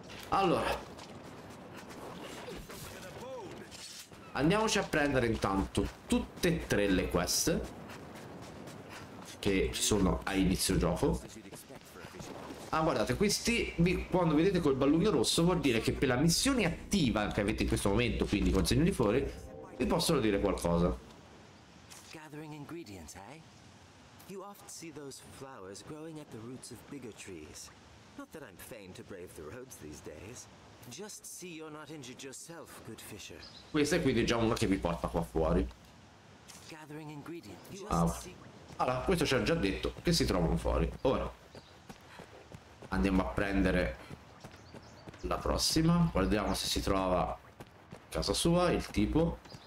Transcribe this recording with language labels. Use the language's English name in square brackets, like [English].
[Italian] Allora, andiamoci a prendere intanto tutte e tre le quest che sono a inizio gioco. Ah, guardate, questi, quando vedete col ballone rosso, vuol dire che per la missione attiva che avete in questo momento, quindi con segno di fuori, vi possono dire qualcosa. [English] Gathering ingredients, eh? You often see those flowers growing at the roots of bigger trees. Not that I'm fain to brave the roads these days. Just see you're not injured yourself, good fisher. [Italian] Questa è quindi già una che vi porta qua fuori. Gathering ingredients. Allora, questo ci ha già detto che si trovano fuori. Ora andiamo a prendere la prossima. Guardiamo se si trova a casa sua, il tipo.